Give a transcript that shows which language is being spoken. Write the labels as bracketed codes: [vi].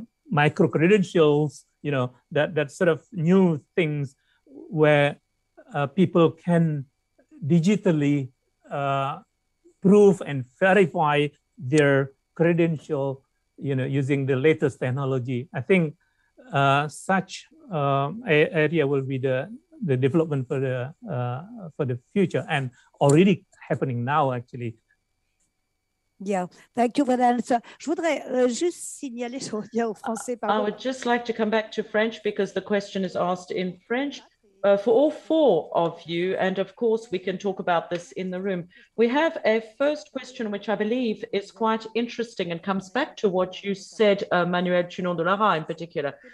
[en] micro credentials, you know, that sort of new things where people can digitally prove and verify their credential, you know, using the latest technology. I think such area will be the development for the future, and already happening now, actually. Yeah, thank you for that answer. [fr] Je voudrais juste signaler, je reviens au français, pardon. [en] I would just like to come back to French because the question is asked in French for all four of you. And of course, we can talk about this in the room. We have a first question, which I believe is quite interesting and comes back to what you said, Manuel Tunon de Lara in particular.